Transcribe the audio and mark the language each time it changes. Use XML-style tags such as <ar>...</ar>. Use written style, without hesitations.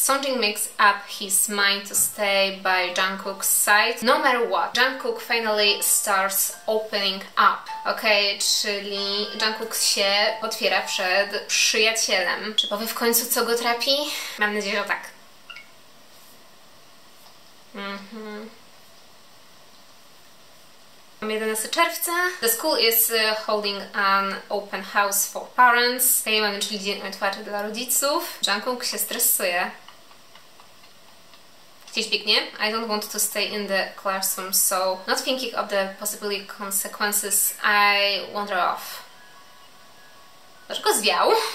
<en>Seungjin makes up his mind to stay by Jungkook's side. No matter what, Jungkook finally starts opening up.</en> <pl>Okej, czyli Jungkook się otwiera przed przyjacielem. Czy powie w końcu, co go trapi? Mam nadzieję, że tak. Mamy 11 czerwca.</pl> <en>The school is holding an open house for parents.</en> <pl>Okej, mamy czyli dzień otwarty dla rodziców. Jungkook się stresuje. Gdzieś biegnie.</pl> <en>I don't want to stay in the classroom, so not thinking of the possible consequences, I wander off.</en> <pl>Dlaczego zwiał?</pl>